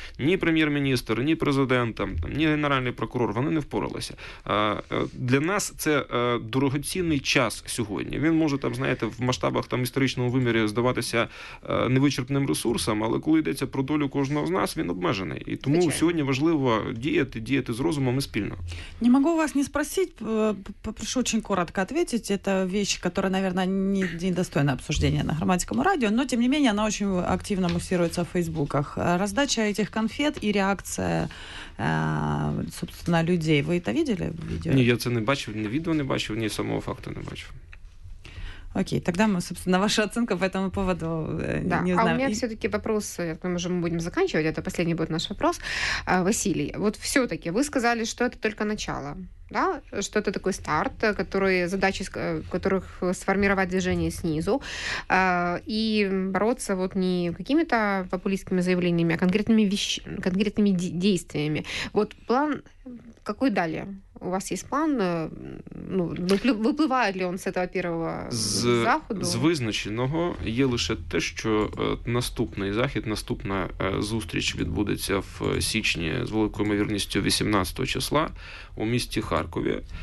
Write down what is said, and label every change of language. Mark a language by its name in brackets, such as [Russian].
[Ukrainian] Ні прем'єр-міністр, ні президент, ні генеральний прокурор, вони не впоралися. Для нас це дорогоцінний час сьогодні. Він може, там, знаєте, в масштабах там історичного вимірі здаватися невичерпним ресурсом, але коли йдеться про долю кожного з нас, він обмежений. І тому сьогодні важливо діяти з розумом. [Russian] Не могу вас не спросить, попрошу очень коротко ответить. Это вещь, которая, наверное, не достойна обсуждения на Громадском радио, но, тем не менее, она очень активно муссируется в фейсбуках. Раздача этих конфет и реакция, собственно, людей. Вы это видели в видео? Не, я это [Ukrainian] не бачив, [Russian] ни видео не бачив, ни самого факта не бачив. Окей, тогда мы, собственно, ваша оценка по этому поводу да. не знаем. А у меня все-таки вопрос, я думаю, уже мы будем заканчивать, это последний будет наш вопрос. Василий, вот все-таки вы сказали, что это только начало, да? Что это такой старт, который, задачи которых сформировать движение снизу и бороться вот не какими-то популистскими заявлениями, а конкретными действиями. Вот план какой далее? [Ukrainian] У вас є план, ну, випливає ли він з цього першого заходу? З визначеного є лише те, що наступний захід, наступна зустріч відбудеться в січні з великою ймовірністю 18-го числа у місті Харкові.